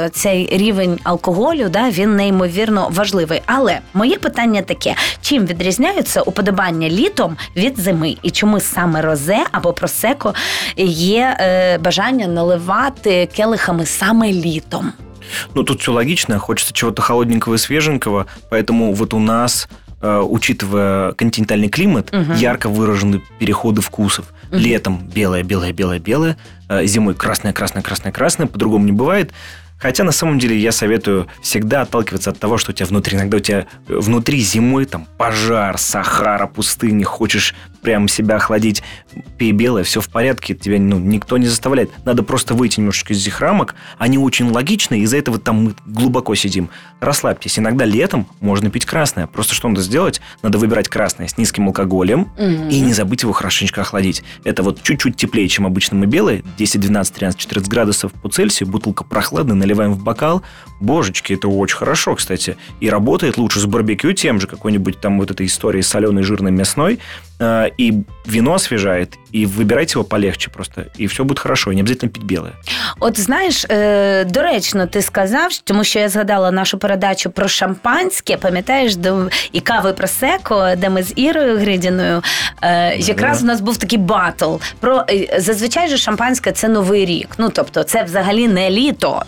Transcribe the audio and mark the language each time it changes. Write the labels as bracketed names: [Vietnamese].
[Ukrainian] Оцей рівень алкоголю, да, він неймовірно важливий. Але моє питання таке, чим відрізняються уподобання літом від зими? І чому саме розе або просеко є бажання наливати келихами саме літом? [Russian] Ну, тут все логично. Хочется чего-то холодненького и свеженького. Поэтому вот у нас, учитывая континентальный климат, ярко выражены переходы вкусов. Летом белое-белое-белое-белое, зимой красное-красное-красное-красное, по-другому не бывает. Хотя, на самом деле, я советую всегда отталкиваться от того, что у тебя внутри. Иногда у тебя внутри зимой там пожар, Сахара, пустыня, хочешь прям себя охладить, пей белое, все в порядке, тебя никто не заставляет. Надо просто выйти немножечко из этих рамок, они очень логичны, из-за этого там мы глубоко сидим. Расслабьтесь, иногда летом можно пить красное. Просто что надо сделать? Надо выбирать красное с низким алкоголем и не забыть его хорошенечко охладить. Это вот чуть-чуть теплее, чем обычно мы белые, 10, 12, 13, 14 градусов по Цельсию, бутылка прохладная, наливаем в бокал. Божечки, это очень хорошо, кстати. И работает лучше с барбекю тем же, какой-нибудь там вот этой историей соленой, жирной, мясной. И вино освежает. И выбирайте его полегче просто. И все будет хорошо. И не обязательно пить белое. [Ukrainian] От знаєш, доречно ти сказав, тому що я згадала нашу передачу про шампанське, пам'ятаєш, і кави просеко, де ми з Ірою Гридіною, якраз в нас був такий батл. Зазвичай же шампанське – це новий рік. Ну, тобто, це взагалі не літо.